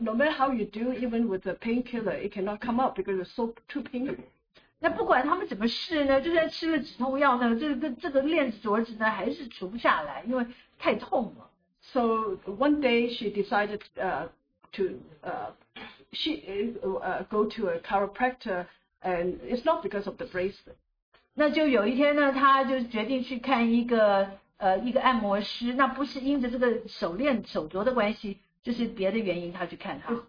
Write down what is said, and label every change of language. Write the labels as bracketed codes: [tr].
[en] no matter how you do, even with a painkiller, it cannot come out because it's so too painful. [zh] 那不管他们怎么试呢，就算吃了止痛药呢，这个链子镯子呢，还是除不下来，因为太痛了。 [en] So one day she decided to go to a chiropractor, and it's not because of the bracelet. [zh] 那就有一天呢，他就决定去看一个按摩师，那不是因着这个手链手镯的关系，就是别的原因，他去看他。 [en] It's